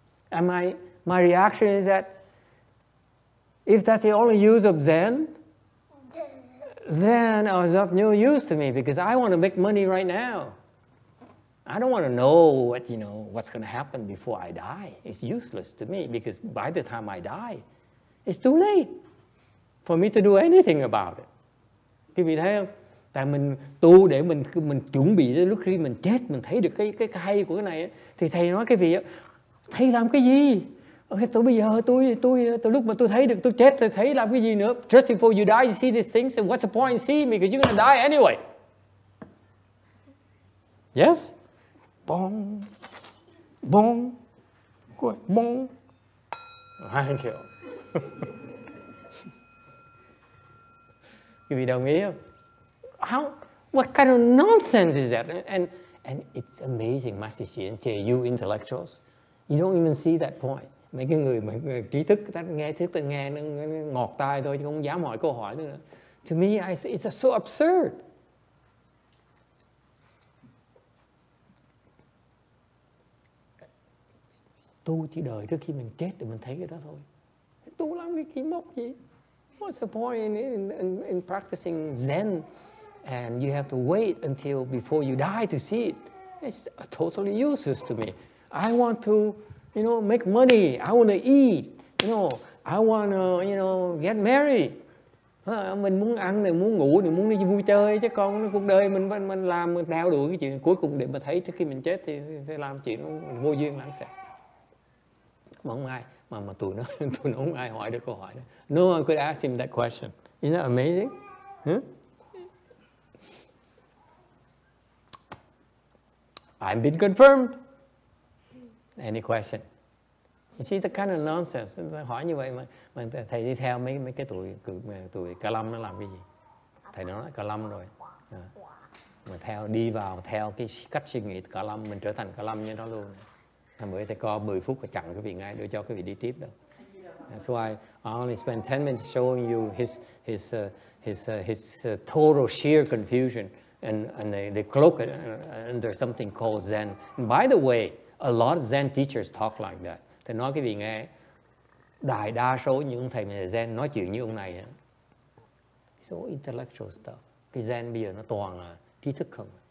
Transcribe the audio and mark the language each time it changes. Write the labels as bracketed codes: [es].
[en] And my reaction is that if that's the only use of Zen, then it was of no use to me, because I want to make money right now. I don't want to know what's going to happen before I die. It's useless to me, because by the time I die, it's too late for me to do anything about it. [vi] Quý vị thấy không? Tại mình tu để mình chuẩn bị đến lúc khi mình chết mình thấy được cái hay của cái này ấy. Thì thầy nói cái vị ấy, thầy làm cái gì? Okay, tôi bây giờ tôi lúc mà tôi thấy được tôi chết tôi thấy làm cái gì nữa? [en] Just before you die, you see these things. And what's the point in seeing me? Because you're gonna die anyway. Yes? Bong, bong, bong. Thank you. [vi] Quý vị đồng ý không? [en] What kind of nonsense is that? And it's amazing, Master Xian, to you intellectuals, you don't even see that point. [vi] Mấy cái người mà trí thức, ta nghe thức, ta nghe nó ngọt tai thôi, chứ không dám hỏi câu hỏi nữa. To me, it's so absurd. Tu chỉ đợi trước khi mình chết để mình thấy cái đó thôi. Tu làm cái kỳ mốc gì? [en] What's the point in practicing Zen and you have to wait until before you die to see it? It's totally useless to me. I want to you know, make money, I want to eat, you know, I want to, you know, get married. [vi] Mình muốn ăn này, muốn ngủ này, muốn đi vui chơi chứ con cuộc đời mình làm mình đeo đuổi cái chuyện cuối cùng để mà thấy trước khi mình chết thì làm chuyện vô duyên lãng xẹt. Không ai mà tụi nó không ai hỏi được câu hỏi đó. [en] No one could ask him that question. Isn't that amazing? Huh? I've been confirmed. Any question? You see the kind of nonsense. [vi] Hỏi như vậy mà thầy đi theo mấy cái tụi cà lâm nó làm cái gì? Thầy nói cà lâm rồi. Mà theo đi vào theo cái cách suy nghĩ cà lâm mình trở thành cà lâm như đó luôn. Hôm bữa thầy co 10 phút và chặn cái vị ngay đưa cho cái vị đi tiếp đâu. [en] That's why I only spend 10 minutes showing you his total sheer confusion and the cloak under something called Zen. And by the way, a lot of Zen teachers talk like that. [vi] Thầy nói cái vị nghe, đại đa số những thầy Zen nói chuyện như ông này, [en] it's all intellectual stuff. [vi] Cái Zen bây giờ nó toàn là trí thức không.